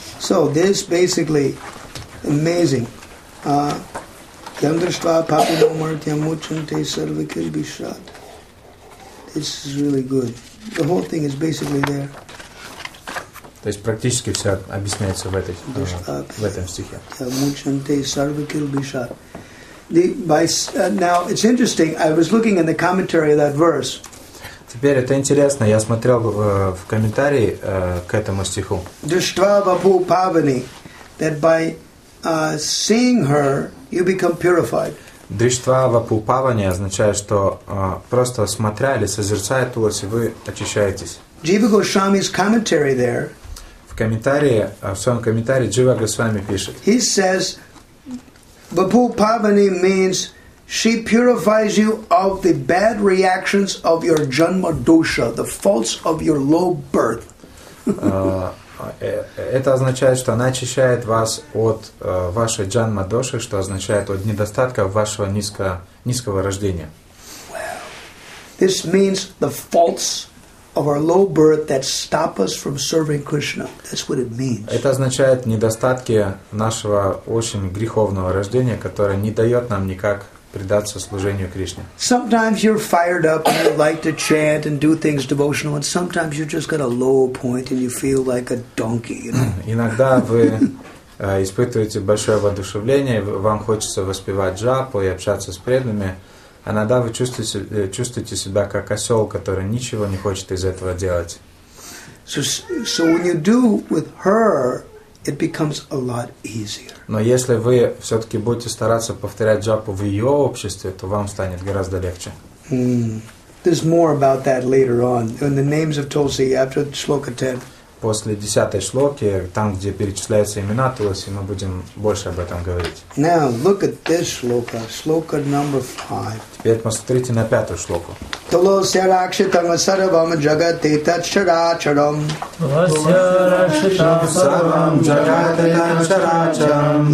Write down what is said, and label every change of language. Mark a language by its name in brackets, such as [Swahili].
[English] So this basically amazing. [Sanskrit] Yandrishtva papino martya muchante sarvakirbishat. [English] This is really good. The whole thing is basically there. [Russian] То есть практически все объясняется в этом стихе. [Sanskrit] Muchante sarvakirbishat. [English] Now it's interesting. I was looking in the commentary of that verse. [Russian] Теперь это интересно. Я смотрел в комментарии к этому стиху. [Sanskrit] Дриштва вапу павани, [English] that by seeing her you become purified. [Sanskrit] Дриштва вапу павани [Russian] означает, что просто смотря или созерцая Туласи, вы очищаетесь. [English] Джива Гошвами's commentary there. [Russian] В своем комментарии Джива Гошвами пишет. [English] He says, vapu pavani means she purifies you of the bad reactions of your janma dosha, the faults of your low birth. [Russian] Это означает, что она очищает вас от вашей janma dosha, что означает от недостатков вашего низкого рождения. [English] This means the faults of our low birth that stop us from serving Krishna. That's what it means. [Russian] Это означает недостатки нашего очень греховного рождения, которое не дает нам никак предаться служению Кришне. [English] Sometimes you're fired up and you like to chant and do things devotional, and sometimes you just got a low point and you feel like a donkey. [Russian] Иногда вы испытываете большое воодушевление, вам хочется воспевать джапу и общаться с преданными. Иногда вы чувствуете себя как осел, который ничего не хочет из этого делать. [English] So when you do with her, it becomes a lot easier. [Russian] Но если вы все-таки будете стараться повторять джапу в ее обществе, то вам станет гораздо легче. [English] There's more about that later on in the names of Tulsi after shloka 10. [Russian] После 10 шлоки, там, где перечисляются имена Туласи, мы будем больше об этом говорить. [English] Now, look at this shloka, shloka number 5. [Russian] Теперь посмотрите на 5-ю шлоку. [Sanskrit] Туласи ракшитам саравам джагате тачарачарам. Туласи ракшитам саравам джагате тачарачарам.